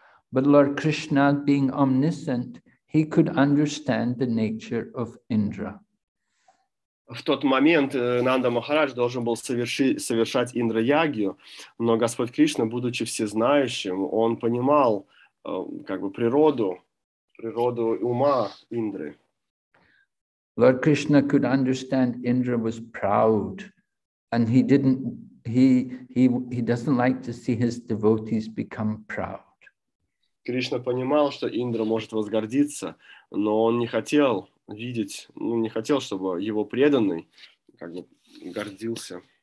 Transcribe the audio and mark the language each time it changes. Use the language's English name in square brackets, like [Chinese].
[English] But Lord Krishna, being omniscient, he could understand the nature of Indra. [Russian] В тот момент Нанда Махарадж должен был совершать Индра-ягью, но Господь Кришна, будучи всезнающим, он понимал как бы природу ума Индры. [English] Lord Krishna could understand Indra was proud, and he doesn't like to see his devotees become proud. [Russian] Кришна понимал, что Индра может возгордиться, но он не хотел не хотел, чтобы его преданный как бы гордился.